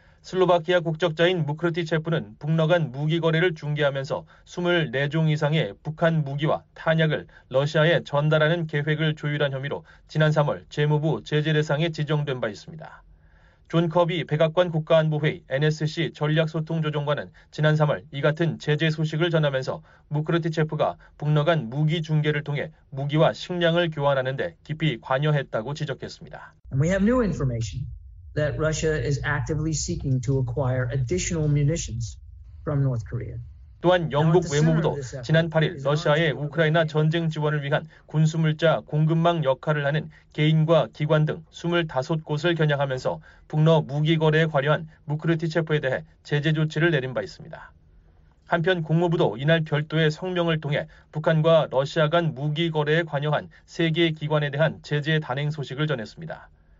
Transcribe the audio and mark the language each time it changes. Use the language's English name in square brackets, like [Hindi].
[Korean] 슬로바키아 국적자인 무크르티체프는 북러 간 무기 거래를 중개하면서 24종 이상의 북한 무기와 탄약을 러시아에 전달하는 계획을 조율한 혐의로 지난 3월 재무부 제재 대상에 지정된 바 있습니다. 존 커비 백악관 국가안보회의 NSC 전략소통조정관은 지난 3월 이 같은 제재 소식을 전하면서 무크르티체프가 북러 간 무기 중개를 통해 무기와 식량을 교환하는 데 깊이 관여했다고 지적했습니다. [English] We have new information that Russia is actively seeking to acquire additional munitions from North Korea. [Korean] 또한 영국 외무부도 지난 8일 러시아의 우크라이나 전쟁 지원을 위한 군수물자 공급망 역할을 하는 개인과 기관 등 25곳을 겨냥하면서 북러 무기 거래에 관여한 무크르티체프에 대해 제재 조치를 내린 바 있습니다. 한편 국무부도 이날 별도의 성명을 통해 북한과 러시아 간 무기 거래에 관여한 3개의 기관에 대한 제재 단행 소식을 전했습니다.